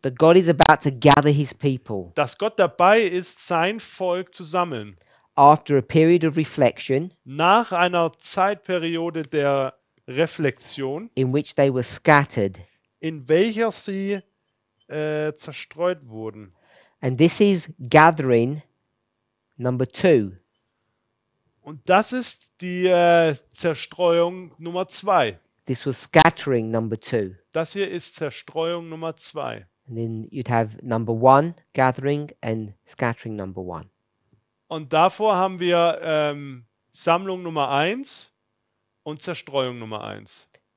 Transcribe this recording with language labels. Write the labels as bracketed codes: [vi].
[en] That God is about to gather his people. [de] Dass Gott dabei ist, sein Volk zu sammeln. [en] After a period of reflection. [de] Nach einer Zeitperiode der Reflexion. [en] In which they were scattered. [de] In welcher sie zerstreut wurden. [en] And this is gathering number two. [de] Und das ist die Zerstreuung Nummer zwei. [en] This was scattering number two. [de] Das hier ist Zerstreuung Nummer zwei. [en] And then you'd have number one, gathering, and scattering number one. [de] Und davor haben wir Sammlung Nummer eins und Zerstreuung Nummer eins.